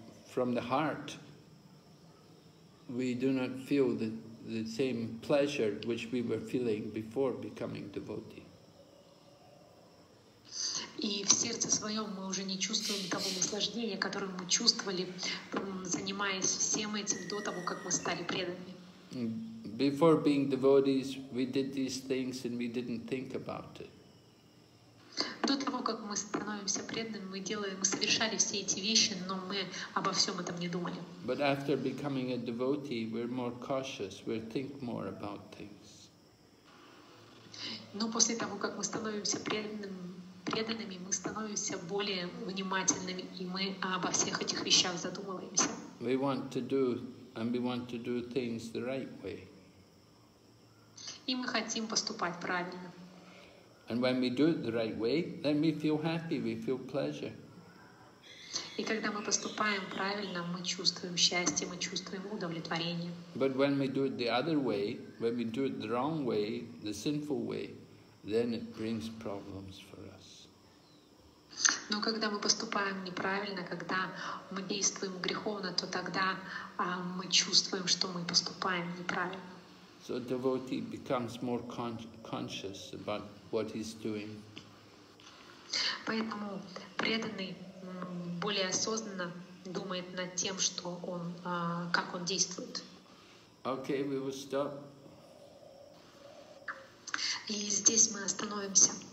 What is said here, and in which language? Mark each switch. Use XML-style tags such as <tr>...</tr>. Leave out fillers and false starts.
<en>From the heart, we do not feel the same pleasure which we were feeling before becoming devotee.</en> <ru>И в сердце своем мы уже не чувствуем того наслаждения, которое мы чувствовали, занимаясь всем этим до того, как мы стали преданными.</ru> <en>Before being devotees, we did these things and we didn't think about it.</en> <ru>До того, как мы становимся преданными, мы совершали все эти вещи, но мы обо всем этом не думали.</ru> <en>But after becoming a devotee, we're more cautious, we think more about things.</en> <ru>Но после того, как мы становимся преданными, мы становимся более внимательными, и мы обо всех этих вещах задумываемся.</ru> <en>We want to do things the right way.</en> <ru>И мы хотим поступать правильно.</ru> <en>And when we do it the right way, then we feel happy, we feel pleasure.</en> <ru>И когда мы поступаем правильно, мы чувствуем счастье, мы чувствуем удовлетворение.</ru> <en>But when we do it the other way, when we do it the wrong way, the sinful way, then it brings problems for us.</en> <ru>Но когда мы поступаем неправильно, когда мы действуем греховно, то тогда мы чувствуем, что мы поступаем неправильно.</ru> <en>So devotee becomes more conscious about what he's doing.</en> <ru>Поэтому преданный более осознанно думает над тем, что он, как он действует.</ru> <en>Okay, we will stop.</en> <ru>И здесь мы остановимся.</ru>